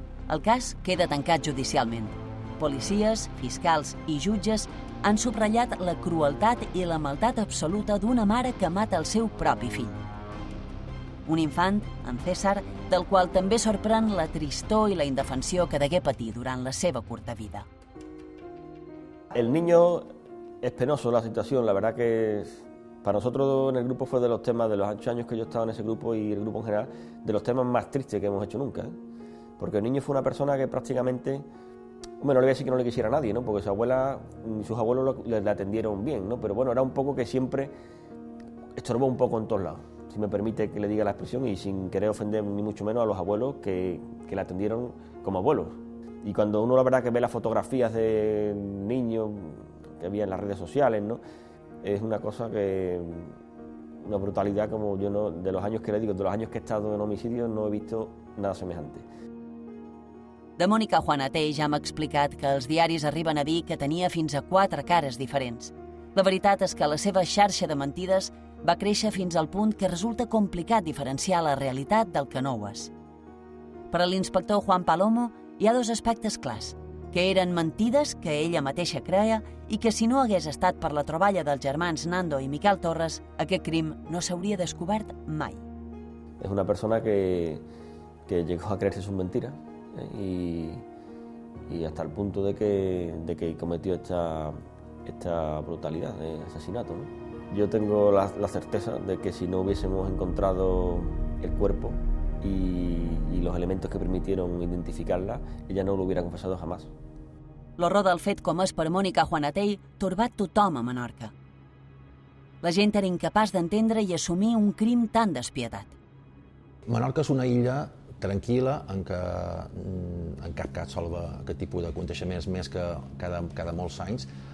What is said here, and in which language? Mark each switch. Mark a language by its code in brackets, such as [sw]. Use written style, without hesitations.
[ca] El cas queda tancat judicialment. Policies, fiscals i jutges han subratllat la crueltat i la maldat absoluta d'una mare que mata el seu propi fill. Un infant, en César, del qual també sorprèn la tristor i la indefensió que degué patir durant la seva curta vida. [es] El niño es penoso, la situación, la verdad que es... Para nosotros en el grupo fue de los temas, de los 8 años que yo he estado en ese grupo y el grupo en general, de los temas más tristes que hemos hecho nunca. Porque el niño fue una persona que prácticamente, hombre, no le voy a decir que no le quisiera a nadie, ¿no? Porque su abuela y sus abuelos le atendieron bien, ¿no? Pero bueno, era un poco que siempre estorbó un poco en todos lados, si me permite que le diga la expresión, y sin querer ofender ni mucho menos a los abuelos que le atendieron como abuelos. Y cuando uno la verdad que ve las fotografías de niños que había en las redes sociales, ¿no? Es una cosa que, una brutalidad como yo no, de los años que le digo, de los años que he estado en homicidio, no he visto nada semejante. [ca] De Mònica Juanatey ja m'ha explicat que els diaris arriben a dir que tenia fins a 4 cares diferents. La veritat és que la seva xarxa de mentides va créixer fins al punt que resulta complicat diferenciar la realitat del que no ho és. Per a l'inspector Juan Palomo hi ha dos aspectes clars, que eren mentides que ella mateixa creia i que si no hagués estat per la troballa dels germans Nando i Miquel Torres, aquest crim no s'hauria descobert mai. És una persona que [es] llegó a creerse sus mentiras y hasta el punto de que cometió esta brutalidad de asesinato, ¿no? Yo tengo la certeza de que si no hubiésemos encontrado el cuerpo y los elementos que permitieron identificarla, ella no lo hubiera confesado jamás. [ca] L'horror del fet com és per Mònica Juanatey torbat tothom a Menorca. La gent era incapaç d'entendre i assumir un crim tan despietat. Menorca és una illa tranquil·la en què en cap cas solva aquest tipus d'aconteixements més que cada molts anys.